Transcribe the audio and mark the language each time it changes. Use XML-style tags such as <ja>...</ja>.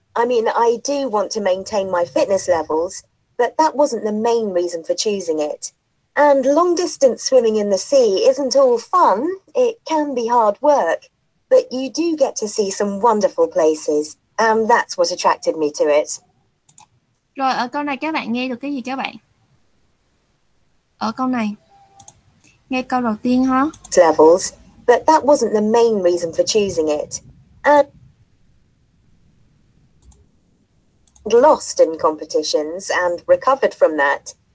<en>I mean, I do want to maintain my fitness levels, but that wasn't the main reason for choosing it. And long distance swimming in the sea isn't all fun. It can be hard work, but you do get to see some wonderful places, and that's what attracted me to it.</en> <vi>Rồi, ở câu này các bạn nghe được cái gì các bạn? Ở câu này. Nghe câu đầu tiên ha.</vi> <en>Levels, but that wasn't the main reason for choosing it. And lost in competitions and recovered from that.</en>